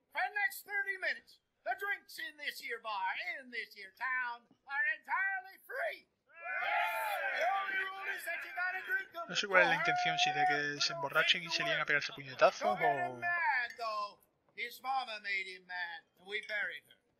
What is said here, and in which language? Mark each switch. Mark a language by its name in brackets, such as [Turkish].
[English] For the next 30 minutes, the drinks in this here bar, in this here town, are entirely free. The only rule is that you gotta drink them. [Spanish] No sé cuál es la intención, si de que se emborrachen y se lían a pegarse puñetazos o... [English] Mad, though. His mama made him mad, and we buried her.